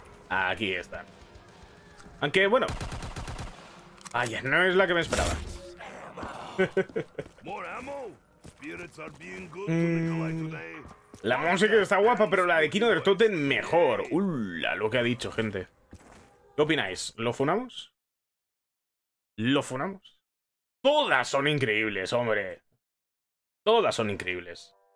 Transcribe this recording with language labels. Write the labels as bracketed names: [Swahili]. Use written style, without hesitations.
[Spanish] Aquí está. Aunque, bueno. Vaya, no es la que me esperaba. [English] More ammo. Spirits are being good to the collector today. [Spanish] La música está guapa, pero la de Kino del Totem mejor. Ula, lo que ha dicho, gente. ¿Qué opináis? ¿Lo funamos? ¿Lo funamos? Todas son increíbles, hombre. Todas son increíbles.